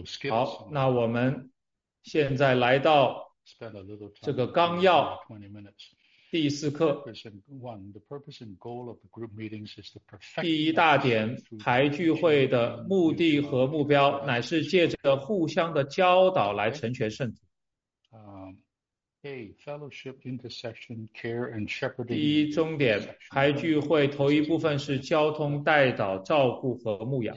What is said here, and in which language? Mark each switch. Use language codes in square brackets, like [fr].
[zh] 好, 那我们现在来到这个纲要, 第一课, [en] the purpose and goal of the group meetings is to perfect. [zh] 第一大点, 排聚会的目的和目标, 乃是借着互相的教导来成全圣徒。 [en] A, fellowship, intercession, care, and shepherding. [zh] 第一终点, 排聚会, 头一部分是交通, 代导, 照顾和牧养。